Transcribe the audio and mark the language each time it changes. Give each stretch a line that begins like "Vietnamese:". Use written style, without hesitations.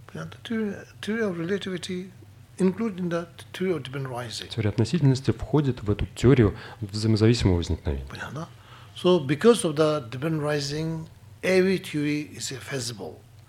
English: Theory of relativity including that theory of dependent arising.
Russian: Теория относительности входит в эту теорию взаимозависимого возникновения. Понятно?
English: So because of the dependent arising, every theory is feasible.